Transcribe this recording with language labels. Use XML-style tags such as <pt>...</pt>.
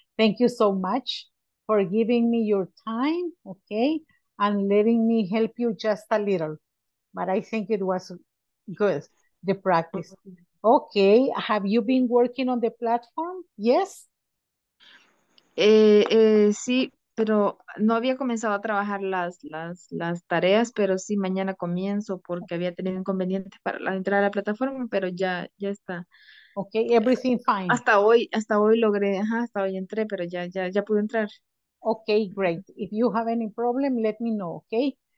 <en>Thank you so much for giving me your time, okay? And letting me help you just a little. But I think it was good, the practice. Okay, have you been working on the platform? Yes?</en> <es>Eh, eh, sí, Pero no había comenzado a trabajar las tareas, pero sí mañana comienzo porque había tenido inconvenientes para la entrada a la plataforma, pero ya, ya está.</es> <en>Ok, everything fine.</en> <es>Hasta hoy logré, hasta hoy entré, pero ya pude entrar.</es> <en>Ok, great. If you have any problem, let me know, ok?</en>